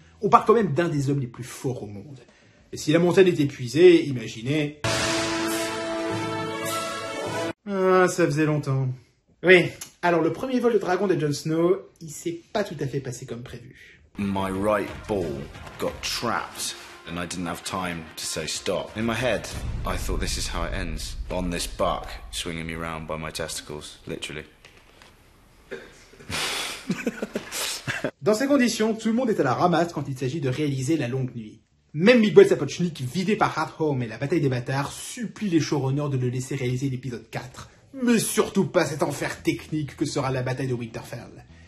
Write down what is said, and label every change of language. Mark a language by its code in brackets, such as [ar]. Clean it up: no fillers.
[fr] On parle quand même d'un des hommes les plus forts au monde. Et si la montagne est épuisée, imaginez... Ah, ça faisait longtemps. Oui, alors le premier vol de dragon de Jon Snow, il s'est pas tout à fait passé comme prévu. [en] My right ball got trapped and I didn't have time to say stop. In my head, I thought this is how it ends. On this buck, swinging me round by my testicles, literally. [fr] Dans ces conditions, tout le monde est à la ramasse quand il s'agit de réaliser la longue nuit. Même Miguel Sapochnik, vidé par Hardhome et la bataille des bâtards, supplie les showrunners de le laisser réaliser l'épisode 4. Mais surtout pas cet enfer technique que sera la bataille de Winterfell.